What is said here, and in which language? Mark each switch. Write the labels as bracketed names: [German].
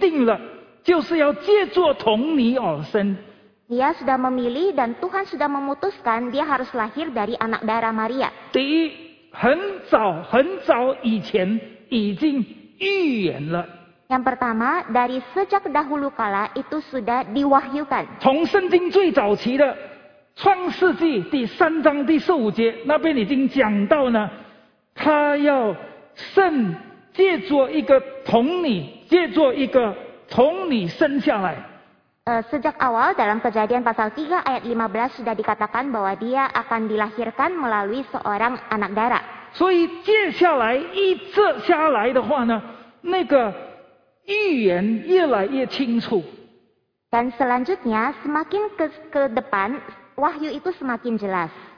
[Chinese] 他就选择了，上帝已经定了，就是要借着童女而生。 [Indonesian] Dia sudah memilih dan Tuhan sudah memutuskan dia harus lahir dari anak darah Maria. [Chinese] 第一，很早很早以前已经预言了。 [Indonesian] Yang pertama, dari sejak dahulu kala itu sudah diwahyukan. [Chinese] 从圣经最早期的 创世纪第3章第15节，那边已经讲到呢，他要生，借着一个童女，借着一个童女生下来。 [Indonesian] Sejak awal dalam kejadian pasal 3 ayat 15 sudah dikatakan bahwa dia akan dilahirkan melalui seorang anak darah. [Chinese] 所以接下来一直下来的话呢，那个预言越来越清楚。 [Indonesian] Dan selanjutnya semakin ke depan. Wahyu itu semakin jelas.